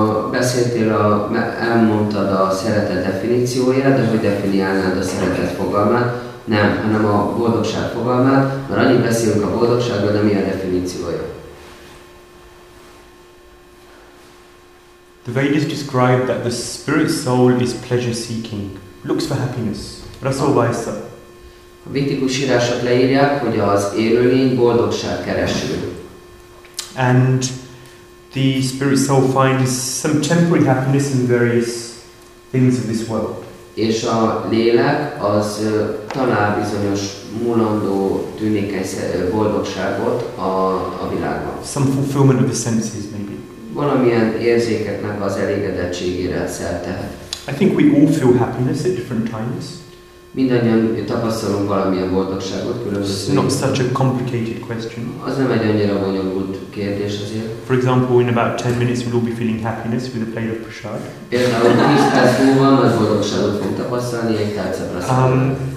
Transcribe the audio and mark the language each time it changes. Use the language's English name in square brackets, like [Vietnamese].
[Hungarian] Beszéltél, elmondtad a szeretet definícióját, de hogy definiálnád a szeretet fogalmát? Nem, hanem a boldogság fogalmát, mert annyit beszélünk a boldogságról, de mi a definíciója? [English] The Vedas describe that the spirit soul is pleasure seeking, looks for happiness. [Sanskrit] Rasa Vaisa. [Hungarian] A vétikus írások leírják, hogy az élőlény boldogság kereső. [English] And the spirit soul finds some temporary happiness in various things of this world. [Hungarian] És a lélek az talál bizonyos mulandó tűnékes boldogságot a világban. [English] Some fulfillment of the senses maybe. [Hungarian] Valamilyen érzékeknek az elégedettségére szertehet. [English] I think we all feel happiness at different times. [Hungarian] Mindannyian tapasztalunk valamilyen boldogságot különböző. [English] It's not such a complicated question. [Hungarian] Az nem egy annyira bonyolult kérdés azért. [English] For example, in about 10 minutes we'll all be feeling happiness with a plate of prasad. [Hungarian] Például 10 perc múlva nagy boldogságot fogunk tapasztalni egy tálca prasad.